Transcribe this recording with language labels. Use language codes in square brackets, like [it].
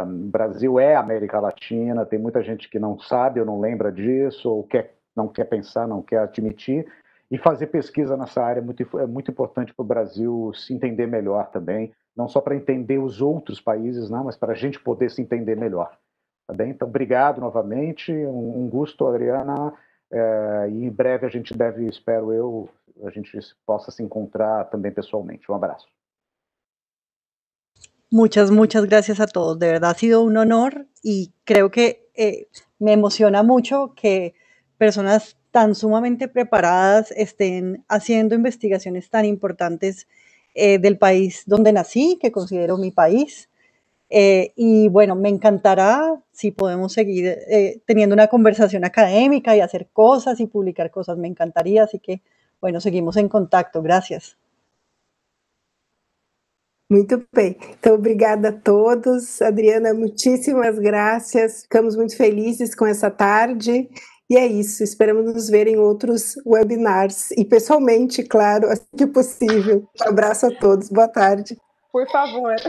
[pt] Brasil é América Latina, tem muita gente que não sabe ou não lembra disso, ou não quer pensar, não quer admitir, e fazer pesquisa nessa área é muito importante para o Brasil se entender melhor também, não só para entender os outros países, não, mas para a gente poder se entender melhor. Tá bem? Então, obrigado novamente, um gosto, Adriana, e em breve a gente deve, espero eu, a gente possa se encontrar também pessoalmente. Um abraço. [es] Muchas, muchas gracias a todos. De verdad, ha sido un honor y creo que me emociona mucho que personas tan sumamente preparadas estén haciendo investigaciones tan importantes del país donde nací, que considero mi país. Y bueno, me encantará si podemos seguir teniendo una conversación académica y hacer cosas y publicar cosas, me encantaría. Así que, bueno, seguimos en contacto. Gracias. [pt] Muito bem. Então, obrigada a todos. Adriana, muitíssimas graças. Ficamos muito felizes com essa tarde. E é isso. Esperamos nos ver em outros webinars. E pessoalmente, claro, assim que possível. Um abraço a todos. Boa tarde. Por favor.